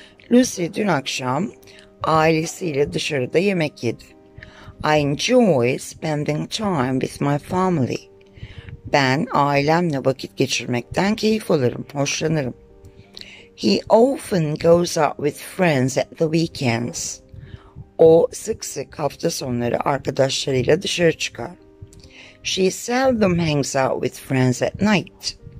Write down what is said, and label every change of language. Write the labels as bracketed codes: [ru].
[tr] Lucy dün akşam ailesiyle dışarıda yemek yedi. [en] I enjoy spending time with my family. [tr] Ben ailemle vakit geçirmekten keyif alırım, hoşlanırım. [en] He often goes out with friends at the weekends. [tr] O sık sık hafta sonları arkadaşlarıyla dışarı çıkar. [en] She seldom hangs out with friends at night.